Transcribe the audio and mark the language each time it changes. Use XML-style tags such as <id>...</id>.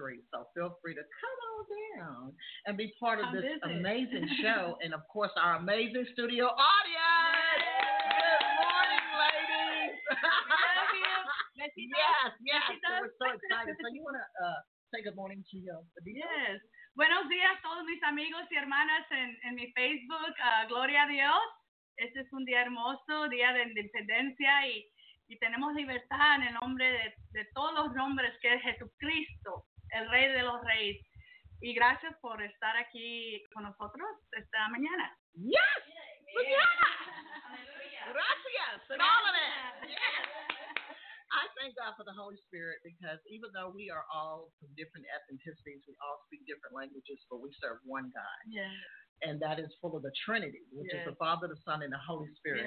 <en>So feel free to come on down and be part of this amazing show. And, of course, our amazing studio audience. Yes. Good morning, ladies. Yes. So we're so excited. So you want to say good morning to you. Yes.</en> <es>Buenos días a todos mis amigos y hermanas en mi Facebook. Gloria a Dios. Este es un día hermoso, día de independencia y tenemos libertad en el nombre de todos los nombres que es Jesucristo, el Rey de los Reyes. Y gracias por estar aquí con nosotros esta mañana.</es> <en>Yes! Mañana! Yes.</en> <es>Aleluya! Gracias!</es> <en>And all of that! I thank God for the Holy Spirit, because even though we are all from different ethnicities, we all speak different languages, but we serve one God. Yes. And that is full of the Trinity, which yes. is the Father, the Son, and the Holy Spirit.</en>